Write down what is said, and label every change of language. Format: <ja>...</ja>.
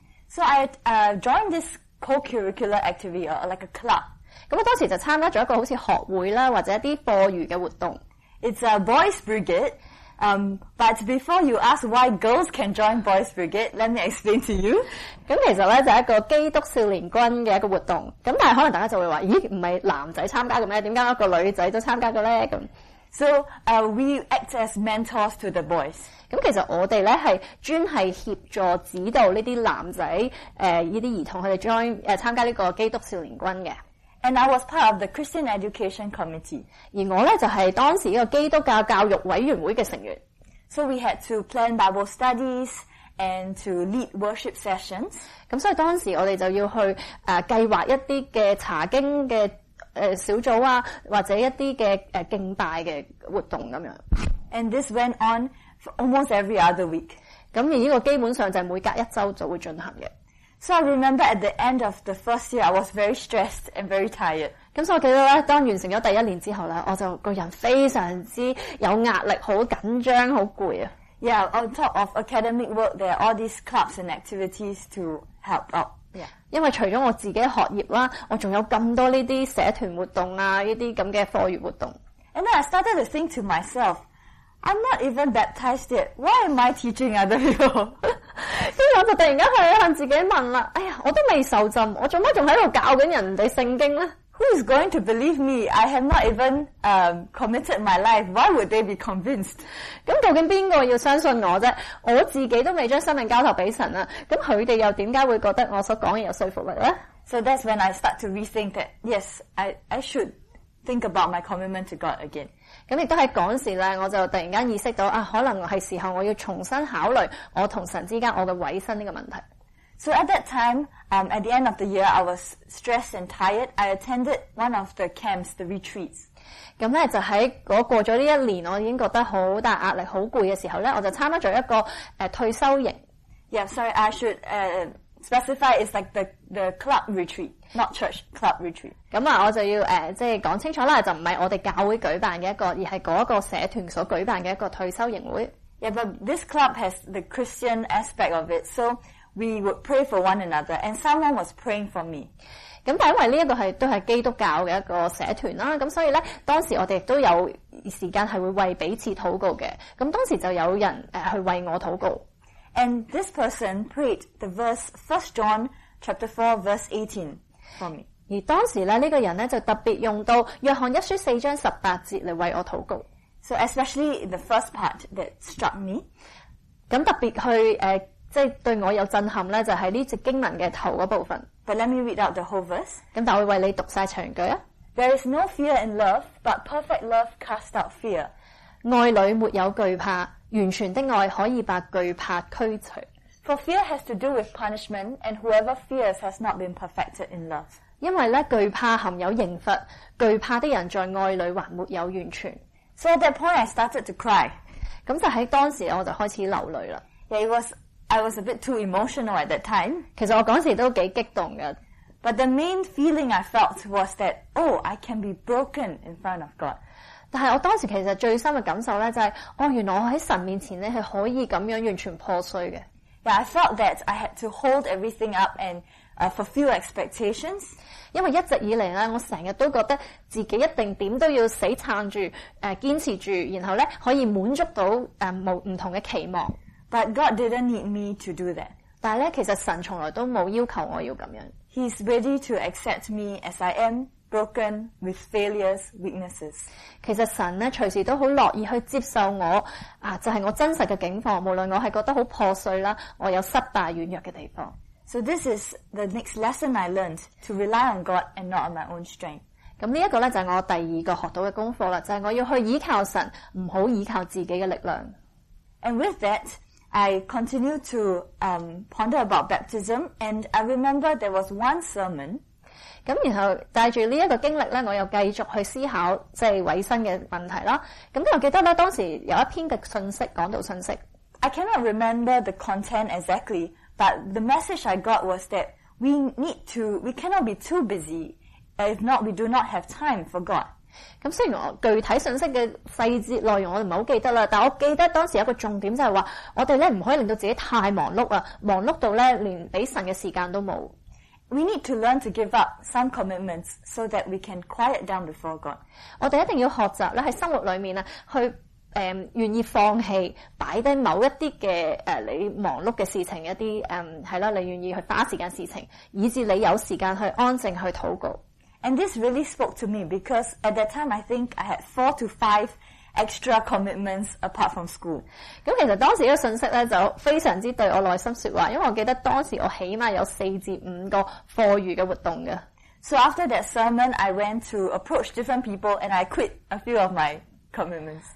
<en>So I joined this co-curricular activity or like a club.</en> <yue>咁我当时就参加咗一个好似学会啦，或者一啲课余嘅活动。</yue> <en>It's a boys' brigade. But before you ask why girls can join boys' brigade, let me explain to you.</en> <yue>咁其实咧就是一个基督少年军嘅一个活动。咁但系可能大家就会话，咦，唔系男仔参加嘅咩？点解一个女仔都参加嘅咧？咁</yue> <en>，So we act as mentors to the boys.</en> <yue>咁其實我哋咧係專係協助指導呢啲男仔呢啲兒童佢哋參加呢個基督少年軍嘅。</yue> <en>And I was part of the Christian Education Committee。</en> <yue>而我咧就係當時呢個基督教教育委員會嘅成員。</yue> <en>So we had to plan Bible studies and to lead worship sessions。</en> <yue>咁所以當時我哋就要去計劃一啲嘅查經嘅小組啊，或者一啲嘅敬拜嘅活動咁樣。</yue> <en>And this went on。 Almost every other week.</en> <yue>咁而呢个基本上就系每隔一周就会进行嘅。</yue> <en>So I remember at the end of the first year, I was very stressed and very tired.</en> <yue>咁所以我记得咧，当完成咗第一年之后咧，我就个人非常之有压力，好紧张，好攰啊。</yue> <en>Yeah, on top of academic work, there are all these clubs and activities to help out. Yeah.</en> <yue>因为除咗我自己学业啦，我仲有咁多呢啲社团活动啊，呢啲咁嘅课余活动。</yue> <en>And then I started to think to myself. I'm not even baptized yet. Why am I teaching other people?</en> <yue>咁我就突然间去向自己问啦。哎呀，我都未受浸，我做乜仲喺度教紧人哋圣经咧</yue> <en>？Who who is going to believe me? I have not even committed my life. Why would they be convinced?</en> <yue>咁究竟边个要相信我啫？我自己都未将生命交托俾神啦。咁佢哋又点解会觉得我所讲嘅有说服力咧</yue> <en>？So that's when I start to rethink that. Yes, I should think about my commitment to God again.</en> <yue>咁亦都喺嗰时咧，我就突然间意识到啊，可能系时候我要重新考虑我同神之间我嘅委身呢个问题。</yue> <en>So at that time, at the end of the year, I was stressed and tired. I attended one of the camps, the retreats.</en> <yue>咁咧就喺嗰过咗呢一年，我已经觉得好大压力、好攰嘅时候咧，我就参加咗一个退休营。</yue> <en>Yeah, sorry, I should specify. It's like the club retreat, not church club retreat.</en> <yue>咁啊，我就要即系讲清楚啦，就唔系我哋教会举办嘅一个，而系嗰个社团所举办嘅一个退休营会。</yue> <en>Yeah, but this club has the Christian aspect of it, so we would pray for one another, and someone was praying for me.</en> <yue>咁但因为呢一个系都系基督教嘅一个社团啦，咁所以咧当时我哋都有时间系会为彼此祷告嘅。咁当时就有人去为我祷告。</yue> <en>And this person prayed the verse 1 John 4:18 for me.</en> <yue>而当时咧呢个人咧就特别用到约翰一书4:18嚟为我祷告。</yue> <en>So especially the first part that struck me.</en> <yue>咁特别去即系对我有震撼咧，就系呢节经文嘅头嗰部分。</yue> <en>But let me read out the whole verse.</en> <yue>咁但我会为你读晒长句啊。</yue> <en>There is no fear in love, but perfect love casts out fear.</en> <yue>爱里没有惧怕，完全的爱可以把惧怕驱除。</yue> <en>For fear has to do with punishment, and whoever fears has not been perfected in love.</en> <yue>因为咧惧怕含有刑罚，惧怕的人在爱里还没有完全。</yue> <en>So at that point, I started to cry.</en> <yue>咁就喺当时我就开始流泪啦。</yue> <en>I was a bit too emotional at that time.</en> <yue>其实我嗰时都几激动嘅。</yue> <en>But the main feeling I felt was that, oh, I can be broken in front of God.</en> <yue>但系我当时其实最深嘅感受咧，就系，哦，原来我喺神面前咧系可以咁样完全破碎嘅。</yue> <en>Yeah, I felt that I had to hold everything up and fulfill expectations.</en> <yue>因为一直以嚟咧，我成日都觉得自己一定点都要死撑住，坚持住，然后咧可以满足到无唔同嘅期望。</yue> <en>But God didn't need me to do that.</en> <yue>但咧，其实神从来都冇要求我要咁样。</yue> <en>He's ready to accept me as I am, broken with failures, weaknesses.</en> <yue>其实神咧，随时都好乐意去接受我啊，就系我真实嘅境况。无论我系觉得好破碎啦，我有失败软弱嘅地方。</yue> <en>So this is the next lesson I learned to rely on God and not on my own strength.</en> <yue>咁呢一个咧就系我第二个学到嘅功课啦，就系我要去依靠神，唔好依靠自己嘅力量。</yue> <en>And with that, I continue to ponder about baptism, and I remember there was one sermon.</en> <yue>咁然后带住呢一个经历咧，我又继续去思考即系委身嘅问题啦。咁我记得咧，当时有一篇嘅信息讲到信息。</yue> <en>I cannot remember the content exactly, but the message I got was that we cannot be too busy. If not, we do not have time for God.</en> <yue>咁虽然我具体信息嘅细节内容我唔系好记得啦，但我记得当时有一个重点就系话，我哋咧唔可以令到自己太忙碌啊，忙碌到咧连俾神嘅时间都冇。</yue> <en>We need to learn to give up some commitments so that we can quiet down before God。</en> <yue>我哋一定要学习咧喺生活里面啊，去愿意放弃摆低某一啲嘅你忙碌嘅事情一啲系啦，你愿意去花时间事情，以至你有时间去安静去祷告。</yue> <en>And this really spoke to me because at that time I think I had 4 to 5 extra commitments apart from school.</en> <yue>咁其实当时嘅信息咧就非常之对我内心说话，因为我记得当时我起码有4至5个课余嘅活动嘅。</yue> <en>So after that sermon, I went to approach different people and I quit a few of my commitments.</en>